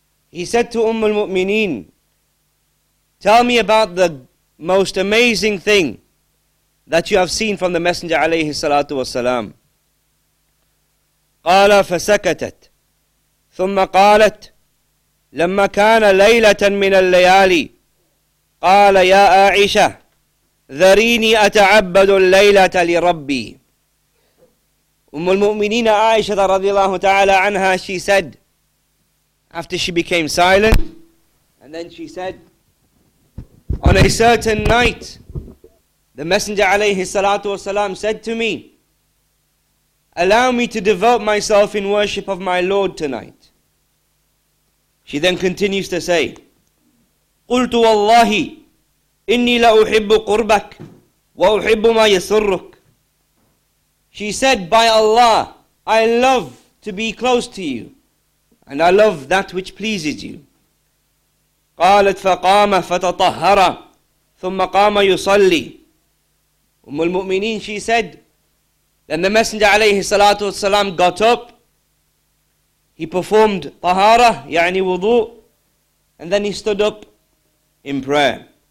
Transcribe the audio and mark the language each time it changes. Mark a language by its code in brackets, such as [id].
[en] He said to Umm al-Mu'mineen, tell me about the most amazing thing that you have seen from the Messenger [ar] عليه الصلاة والسلام. قال فسكتت ثم قالت لما كان ليلة من الليالي قال يا عائشة ذريني أتعبد الليلة لربي. أم المؤمنين عائشة رضي الله تعالى عنها, [en] she said, after she became silent, and then she said, on a certain night, the Messenger [ar] عليه الصلاة والسلام [en] said to me, allow me to devote myself in worship of my Lord tonight. She then continues to say, [ar] قلت والله إني لأحب قربك وأحب ما يسرك. [en] She said, by Allah, I love to be close to you and I love that which pleases you. [ar] قالت فقام فتطهر ثم قام يصلي. أم المؤمنين, [en] she said, then the Messenger [ar] عليه الصلاة والسلام [en] got up, he performed tahara, [ar] يعني [en] wudu, and then he stood up in prayer.